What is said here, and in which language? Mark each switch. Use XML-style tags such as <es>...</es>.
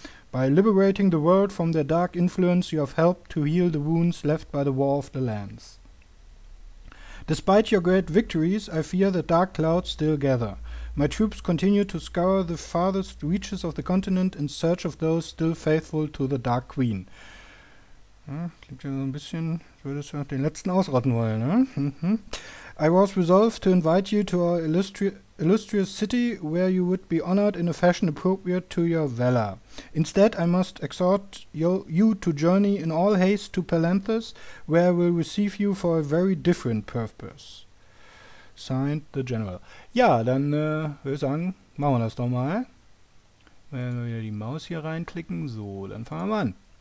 <en>By liberating the world from their dark influence, you have helped to heal the wounds left by the War of the Lands. Despite your great victories, I fear that dark clouds still gather. My troops continue to scour the farthest reaches of the continent in search of those still faithful to the Dark Queen.</en> <de>Ja, klingt ja so ein bisschen, würdest du noch den letzten ausrotten wollen, ne?</de> <en>I was resolved to invite you to our illustrious city, where you would be honored in a fashion appropriate to your valor. Instead, I must exhort you to journey in all haste to Palanthas, where I will receive you for a very different purpose. Signed, the General.</en> <de>Ja, dann würde ich sagen, machen wir das doch mal. Wenn wir wieder die Maus hier reinklicken, so, dann fangen wir mal an.</de>